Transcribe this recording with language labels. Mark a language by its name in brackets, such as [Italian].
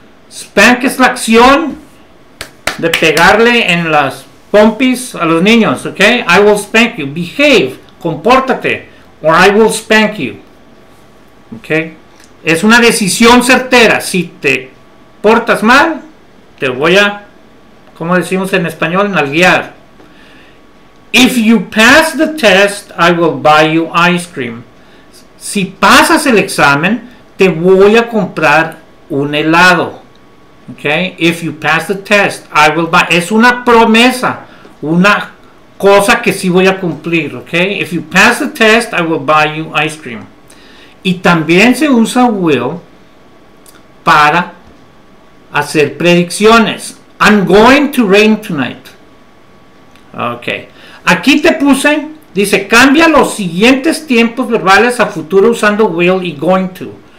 [Spanish] Spank es la acción de pegarle en las pompis a los niños, ¿ok? [English] I will spank you. Behave, [Spanish] compórtate, [English] or I will spank you, ¿ok? [Spanish] Es una decisión certera. Si te portas mal, te voy a, ¿cómo decimos en español? Nalguear. [English] If you pass the test, I will buy you ice cream. [Spanish] Si pasas el examen, te voy a comprar un helado. [English] Okay, if you pass the test, I will buy. [Spanish] Es una promesa, una cosa que sí voy a cumplir. [English] Okay, if you pass the test, I will buy you ice cream. [Spanish] Y también se usa will para hacer predicciones. [English] I'm going to rain tonight. [Spanish] Okay, aquí te puse, dice, cambia los siguientes tiempos verbales a futuro usando will y going to.